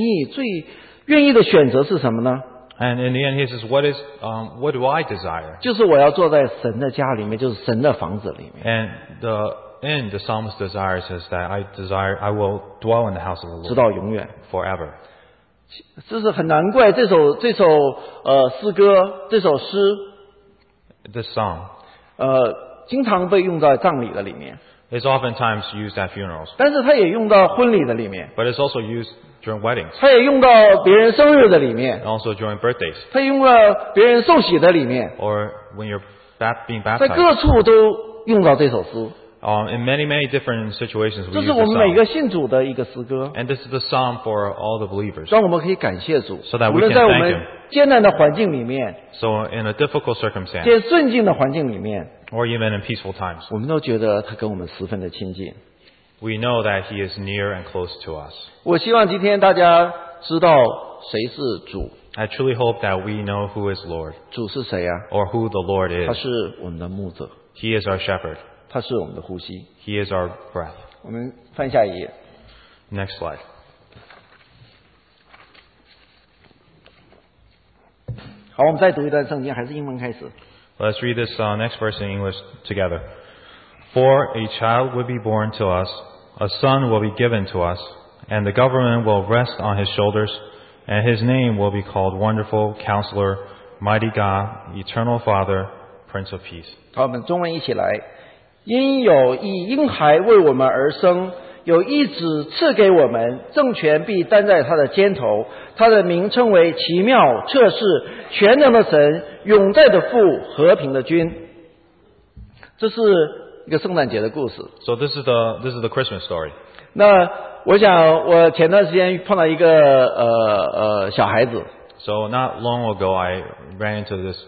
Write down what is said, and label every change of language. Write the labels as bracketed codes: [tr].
[zh] 在最后，他说我最愿意的选择是什么呢？ [en] And in the end, he says, "What is, what do I desire?" [zh] 就是我要坐在神的家里面，就是神的房子里面。 [en] And the end, the psalmist desires is that I desire, I will dwell in the house of the Lord. [zh] 直到永远 [en] ，forever. [zh] 这是很难怪这首诗歌这首诗 [en] ，this song. [zh] 经常被用在葬礼的里面。 [en] It's oftentimes used at funerals. [zh] 但是它也用到婚礼的里面。 [en] But it's also used. During weddings. [zh] 他也用到别人生日的里面, [en] and also during birthdays. [zh] 他用到别人受洗的里面, [en] or when you're being baptized. [zh] 在各处都用到这首诗, [en] in many, many different situations, we use the psalm. [zh] 这是我们每个信主的一个诗歌, [en] and this is the psalm for all the believers. [zh] 让我们可以感谢主, [en] so that we can thank Him. [zh] 艰难的环境里面, [en] so in a difficult circumstance, [zh] 且顺境的环境里面, [en] or even in peaceful times, [zh] 我们都觉得他跟我们十分的亲近。 [en] We know that He is near and close to us. [zh] 我希望今天大家知道谁是主。 [en] I truly hope that we know who is Lord. [zh] 主是谁啊？ [en] Or who the Lord is. [zh] 他是我们的牧者。 [en] He is our shepherd. [zh] 他是我们的呼吸。 [en] He is our breath. [zh] 我们翻下一页。 [en] Next slide. [zh] 好，我们再读一段圣经，还是英文开始。 [en] Let's read this next verse in English together. For a child will be born to us. A son will be given to us, and the government will rest on his shoulders, and his name will be called Wonderful Counselor, Mighty God, Eternal Father, Prince of Peace. [zh] 好，我们中文一起来。因有一婴孩为我们而生，有一子赐给我们，政权必担在他的肩头，他的名称为奇妙、测试、全能的神、永在的父、和平的君。这是一个圣诞节的故事。 [en] So this is the Christmas story. [zh] 那我想，我前段时间碰到一个小孩子。 [en] So not long ago, I ran into this.